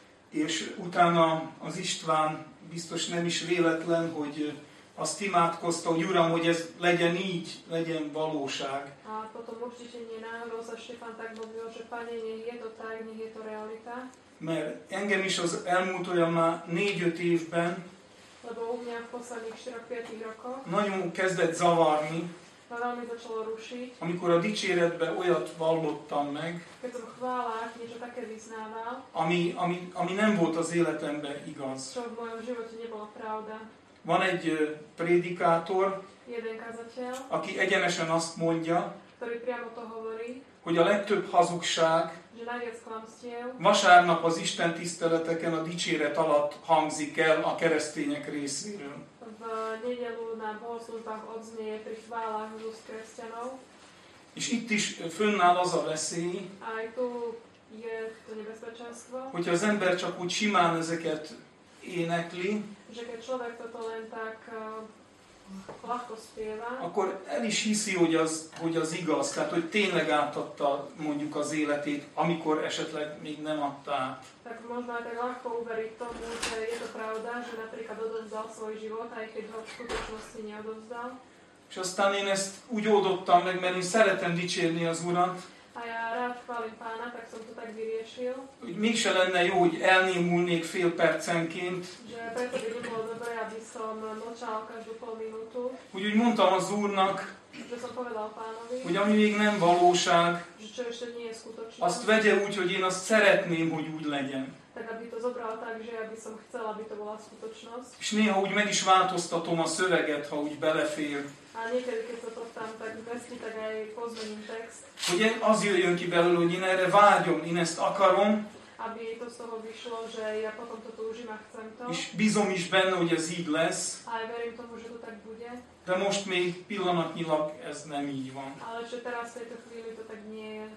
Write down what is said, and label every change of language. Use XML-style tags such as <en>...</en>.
<hu>És utána az István biztos nem is véletlen, hogy azt imádkozta, hogy Uram, hogy ez legyen így, legyen valóság.</hu> <sk>A potom určite nie náhodou sa Štefan tak modlil, že Pane, nech je to tak, nech je to realita.</sk> <hu>Mert engem is az elmúlt olyan már 4-5 évben,</hu> <sk>lebo u mňa v posledných 4-5 rokoch,</sk> <hu>nagyon kezdett zavarni,</hu> <sk>valami začalo rušiť,</sk> <hu>amikor a dicséretbe olyat vallottam meg,</hu> <sk>keď som chválák niečo také vyznával,</sk> <hu>ami nem volt az életemben igaz.</hu> <sk>Čo v mojom živote nebola pravda.</sk> <hu>Van egy prédikátor,</hu> <sk>jeden kazateľ,</sk> <hu>aki egyenesen azt mondja,</hu> <sk>ktorý priamo to hovorí,</sk> <hu>hogy a legtöbb hazugság,</hu> <sk>že najviac klamstiev,</sk> <hu>vasárnap az Isten tiszteleteken a dicséret alatt hangzik el a keresztények részéről.</hu> <sk>V nedelu na bohoslužbách odznieje pri chválach z kresťanov.</sk> <hu>És itt is fönnáll az a veszély,</hu> <sk>aj tu je to nebezpečenstvo,</sk> <hu>hogyha az ember csak úgy simán ezeket énekli,</hu> <sk>že keď človek toto len tak ľahko spieva,</sk> <hu>akkor el is hiszi, hogy az igaz, tehát hogy tényleg átadta mondjuk az életét, amikor esetleg még nem adta át.</hu> <sk>Tak možno aj tak ľahko uveriť tomu, že je to pravda, že napríklad odovzdal svoj život, aj keď ho v skutočnosti neodovzdal.</sk> <hu>És aztán én ezt úgy oldottam meg, mert én szeretem dicsérni az Urat.</hu> <sk>A ja rád chválim Pána, tak som to tak vyriešil.</sk> <hu>Hogy mégse lenne jó, hogy elnémulnék fél percenként.</hu> <sk>Že preto by bolo dobré, aby som močal každú pol minútu.</sk> <hu>Úgy mondtam az Úrnak,</hu> <sk>že som povedal Pánovi,</sk> <hu>hogy ami még nem valóság,</hu> <sk>že čo ešte nie je skutočné,</sk> <hu>azt vegye úgy, hogy én azt szeretném, hogy úgy legyen.</hu> <sk>Tak aby to zobral tak, že ja by som chcel, aby to bola skutočnosť.</sk> <hu>És néha úgy meg is változtatom a szöveget, ha úgy belefér.</hu> <sk>A niekedy, keď sa to tam tak veszni, tak aj pozmením text.</sk> <hu>Hogy az jöjjön ki belőle, hogy én erre vágyom, én ezt akarom.</hu> <sk>Aby to z toho vyšlo, že ja potom to túžim a chcem to.</sk> <hu>És bízom is benne, hogy ez így lesz.</hu> <sk>Ale verím tomu, že to tak bude.</sk> <hu>De most még pillanatnyilag ez nem így van.</hu> <sk>Ale čo teraz v tejto chvíli to tak nie je.</sk>